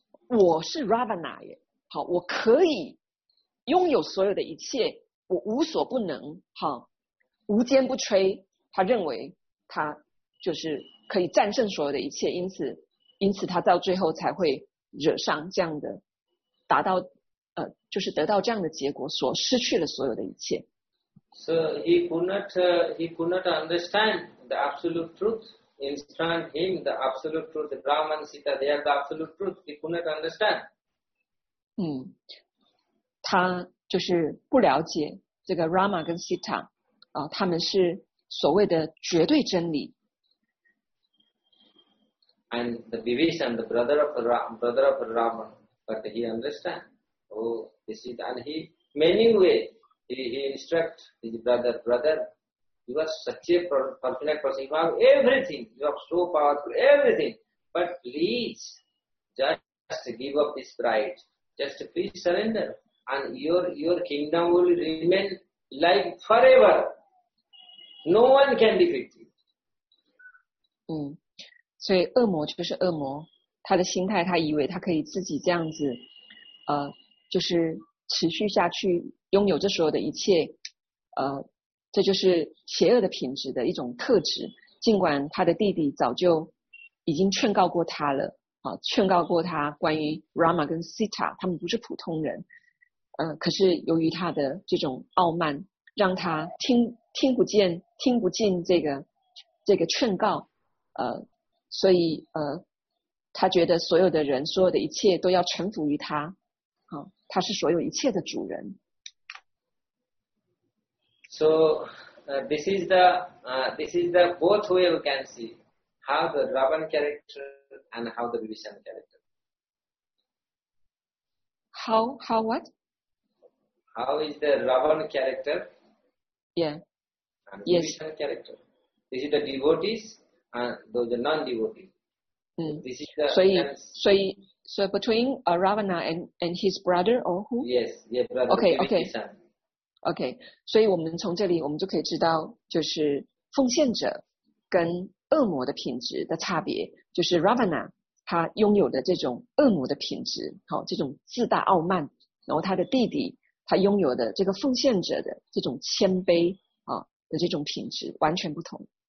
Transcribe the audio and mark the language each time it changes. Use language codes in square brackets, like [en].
[zh] 我是 Ravana 耶，好，我可以拥有所有的一切，我无所不能，好，无坚不摧。他认为他就是可以战胜所有的一切，因此他到最后才会惹上这样的，达到就是得到这样的结果，所失去了所有的一切。 [en] So he could not understand the absolute truth. Instruct him the absolute truth. Rama and Sita, they are the absolute truth. He could not understand. [zh] 他就是不了解这个 Rama 跟 Sita, 他们是所谓的绝对真理。 [en] And the Vivishan, the brother of Ravan, but he understands. Oh, this is, and he, many ways, he instructs his brother, you are such a fortunate person, you have everything, you are so powerful, everything, but please, just give up this pride, just please surrender, and your kingdom will remain like forever. No one can defeat you. Mm. [zh] 所以恶魔就是恶魔，他的心态，他以为他可以自己这样子，就是持续下去，拥有这所有的一切，这就是邪恶的品质的一种特质。尽管他的弟弟早就已经劝告过他了，劝告过他关于 Rama 跟 Sita， 他们不是普通人，可是由于他的这种傲慢，让他听不进这个劝告，所以他觉得所有的人所有的一切都要臣服于他，他是所有一切的主人。 [en] So this is the both way we can see how the Ravan character and how the Vibhishan character. How what? How is the Ravan character? Yeah. And Vibhishan yes. character. This is the devotees. So between Ravana and his brother or who? Yes, yeah, brother. Okay, okay. [zh] Okay, 所以我们从这里我们就可以知道，就是奉献者跟恶魔的品质的差别，就是 Ravana 他拥有的这种恶魔的品质，这种自大傲慢，然后他的弟弟他拥有的这个奉献者的这种谦卑的这种品质完全不同。